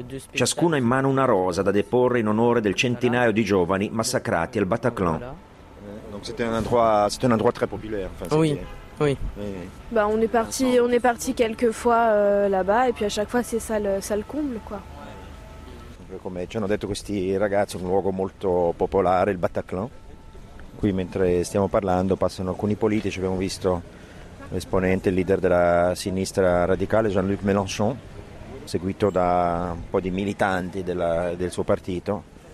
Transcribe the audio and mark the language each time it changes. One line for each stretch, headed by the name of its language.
Italian: Ciascuno ha in mano una rosa da deporre in onore del centinaio di giovani massacrati al Bataclan.
French: C'était un endroit très populaire. Oui. Oui. Bah on est parti quelques fois là-bas et puis à chaque fois c'est ça le comble quoi.
Italian: Come ci hanno detto questi ragazzi, un luogo molto popolare, il Bataclan. Qui mentre stiamo parlando passano alcuni politici, abbiamo visto l'esponente, il leader della sinistra radicale Jean-Luc Mélenchon, seguito da un po' di militanti del suo partito.